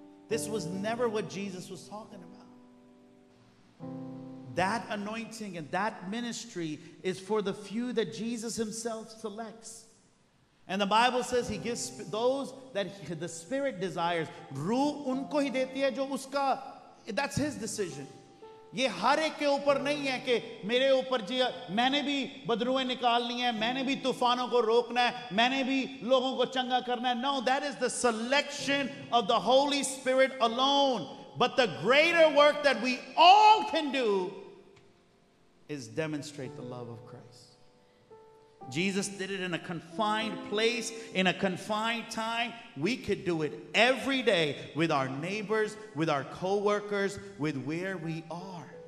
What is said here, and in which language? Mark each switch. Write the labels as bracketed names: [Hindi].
[English] This was never what Jesus was talking about. That anointing and that ministry is for the few that Jesus himself selects. And the Bible says he gives those that the Spirit desires. [Hindi] Ruh unko hi deti hai jo uska. [English] That's his decision. [Hindi] ये हर एक के ऊपर नहीं है कि मेरे ऊपर जी मैंने भी बदरुएं निकालनी है मैंने भी तूफानों को रोकना है मैंने भी लोगों को चंगा करना है. [English] No, that is the selection of the Holy Spirit alone. But the greater work that we all can do is demonstrate the love of Christ. Jesus did it in a confined place, in a confined time. We could do it every day with our neighbors, with our co-workers, with where we are.